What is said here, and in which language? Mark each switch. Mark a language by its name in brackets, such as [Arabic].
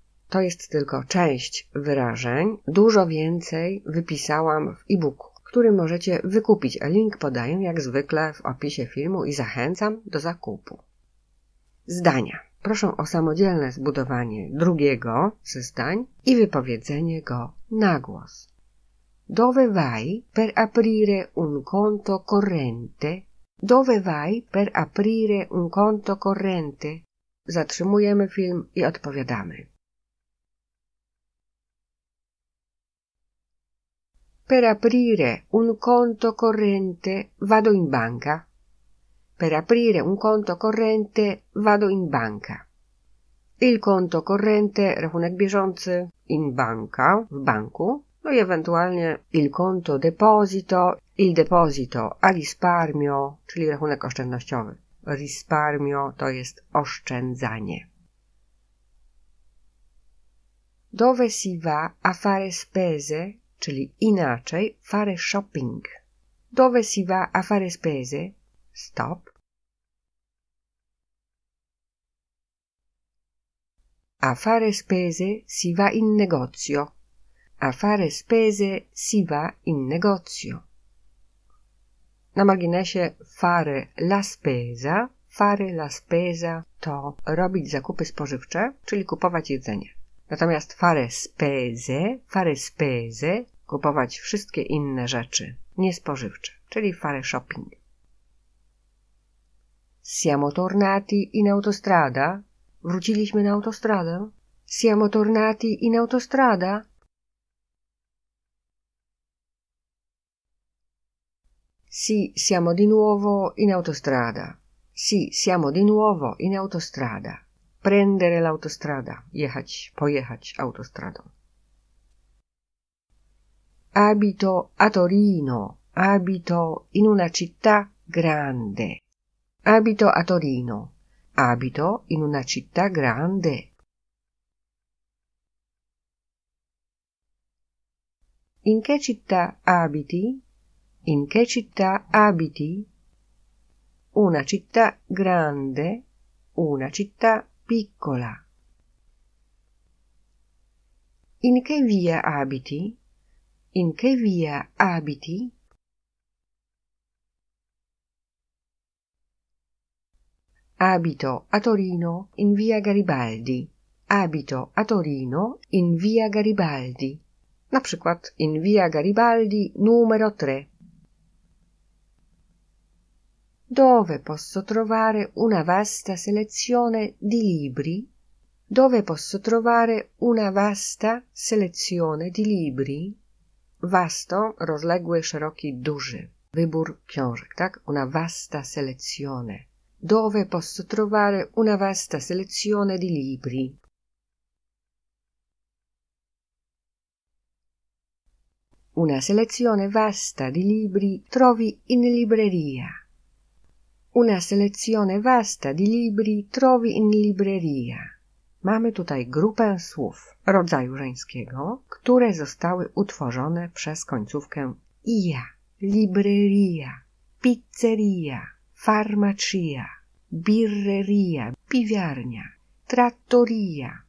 [Polish] To jest tylko część wyrażeń. Dużo więcej wypisałam w e-booku, który możecie wykupić. Link podaję jak zwykle w opisie filmu i zachęcam do zakupu. Zdania. Proszę o samodzielne zbudowanie drugiego ze zdań i wypowiedzenie go na głos. [Italian] Dove vai per aprire un conto corrente? Dove vai per aprire un conto corrente? [Polish] Zatrzymujemy film i odpowiadamy. [Italian] Per aprire un conto corrente vado in banca. Per aprire un conto corrente vado in banca. Il conto corrente, [Polish] rachunek bieżący, [Italian] in banca, [Polish] w banku. No i ewentualnie [Italian] il conto deposito, il deposito a risparmio, [Polish] czyli rachunek oszczędnościowy. Risparmio to jest oszczędzanie. [Italian] Dove si va a fare spese, [Polish] czyli inaczej, [Italian] fare shopping. Dove si va a fare spese? Stop. A fare spese si va in negozio. A fare spese si va in negozio. [Polish] Na marginesie [Italian] fare la spesa [Polish] to robić zakupy spożywcze, czyli kupować jedzenie. Natomiast [Italian] fare spese, [Polish] kupować wszystkie inne rzeczy, niespożywcze, czyli [Italian] fare shopping. Siamo tornati in autostrada. [Polish] Wróciliśmy na autostradę. [Italian] Siamo tornati in autostrada. Sì, siamo di nuovo in autostrada. Sì, siamo di nuovo in autostrada. Prendere l'autostrada. [Polish] Jechać, pojechać autostradą. [Italian] Abito a Torino. Abito in una città grande. Abito a Torino. Abito in una città grande. In che città abiti? In che città abiti? Una città grande, una città piccola. In che via abiti? In che via abiti? Abito a Torino in via Garibaldi. Abito a Torino in via Garibaldi. [Polish] Na przykład [Italian] in via Garibaldi numero 3. Dove posso trovare una vasta selezione di libri? Dove posso trovare una vasta selezione di libri? [Polish] Vasto, rozległy, szeroki, duży. Wybór książek, tak? [Italian] Una vasta selezione. Dove posso trovare una vasta selezione di libri? Una selezione vasta di libri trovi in libreria. Una selezione vasta di libri trovi in libreria. [Polish] Mamy tutaj grupę słów rodzaju żeńskiego, które zostały utworzone przez końcówkę ia. [Italian] Libreria, pizzeria, farmacia, birreria, piwiarnia, trattoria.